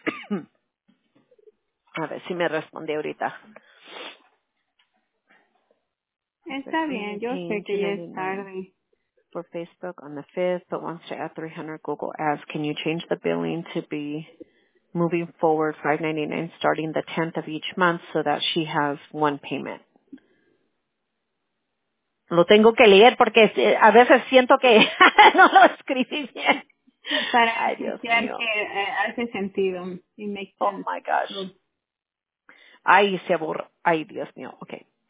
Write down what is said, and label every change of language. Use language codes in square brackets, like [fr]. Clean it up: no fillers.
[es] A ver si me responde ahorita. Está bien, yo sé que ya es tarde. [en] For Facebook on the 5th, but wants to add 300, Google asks, can you change the billing to be moving forward $5.99 starting the 10th of each month so that she has one payment? [es] Lo tengo que leer porque a veces siento que no lo escribí bien. Para asociar que hace sentido. [en] Oh, my gosh. [es] Ay, se aburra. Ay, Dios mío. [en] Okay.